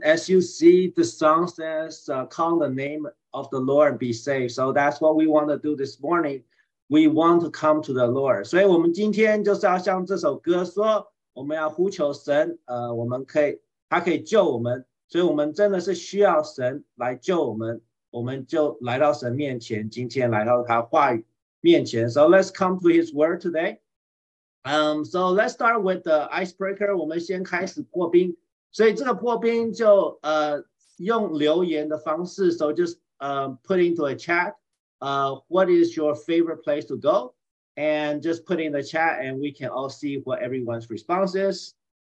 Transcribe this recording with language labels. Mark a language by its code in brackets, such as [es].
[en] As you see, the song says, "Call the name of the Lord, be saved." So that's what we want to do this morning. We want to come to the Lord. [zh] 所以我们今天就是要像这首歌说，我们要呼求神。我们可以，他可以救我们。所以我们真的是需要神来救我们。我们就来到神面前，今天来到他话语面前。 [en] So let's come to His Word today. So let's start with the icebreaker. [zh] 我们先开始破冰。所以这个破冰就用留言的方式。 [en] So just put into a chat. What is your favorite place to go? And just put in the chat, and we can all see what everyone's response is.